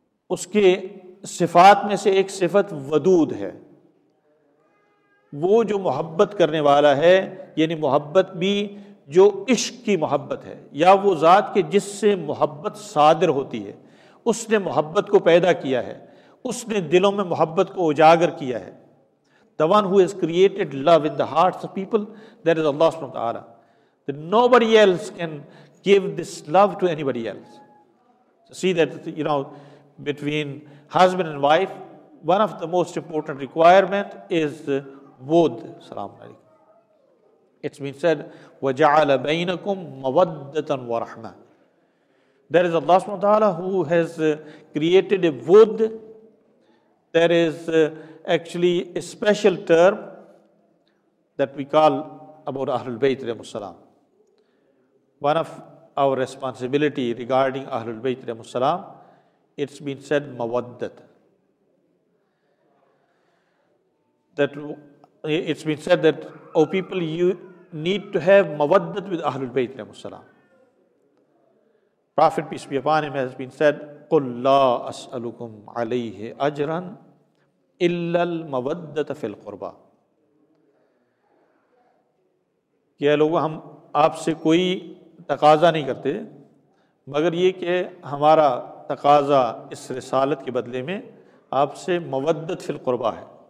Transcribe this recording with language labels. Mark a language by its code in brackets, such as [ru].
[ur] اس کے صفات میں سے ایک صفت ودود ہے, وہ جو محبت کرنے والا ہے, یعنی محبت بھی جو عشق کی محبت ہے, یا وہ ذات کے جس سے محبت صادر ہوتی ہے, اس نے محبت کو پیدا کیا ہے, اس نے دلوں میں محبت کو اجاگر کیا ہے. [en] The one who has created love in the hearts of people, that is Allah subhanahu wa ta'ala. That nobody else can give this love to anybody else. So see that, you know, between husband and wife, one of the most important requirement is wud, salam alaikum. It's been said, [ar] وَجَعَلَ بَيْنَكُمْ مَوَدَّةً وَرَحْمَةً. [en] There is Allah subhanahu wa ta'ala who has created a wud. There is actually a special term that we call about Ahlul Bayt alayhi salam. One of our responsibility regarding Ahlul Bayt alayhi salam, it's been said mawaddat. That it's been said that, oh people, you need to have mawaddat with Ahlul Bayt alayhi salam. Prophet peace be upon him has been said, [ar] قُلْ لَا أَسْأَلُكُمْ عَلَيْهِ أَجْرًا إِلَّا الْمَوَدَّةَ فِي الْقُرْبَى. [ur] کہ اے لوگ, ہم آپ سے کوئی تقاضا نہیں کرتے, مگر یہ کہ ہمارا تقاضا اس رسالت کے بدلے میں آپ سے مودت فی القربہ ہے.